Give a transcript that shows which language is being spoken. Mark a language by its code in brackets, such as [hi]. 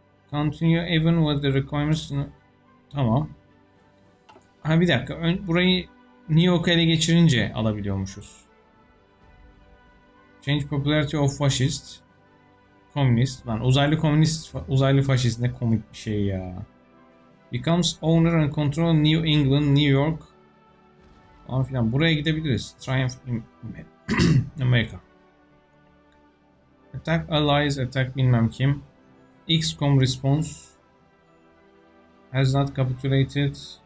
[en] Continue even with the requirements. [tr] Tamam. Ha, bir dakika. Burayı New York'u ele geçirince alabiliyormuşuz. [en] Change popularity of fascist. [tr] Komünist. Lan uzaylı komünist, uzaylı faşist, ne komik bir şey ya. [en] Becomes owner and control New England, New York. [tr] Falan filan. Buraya gidebiliriz. [en] Triumph in America. Attack Allies, attack [tr] bilmem kim. [en] XCOM response has not capitulated.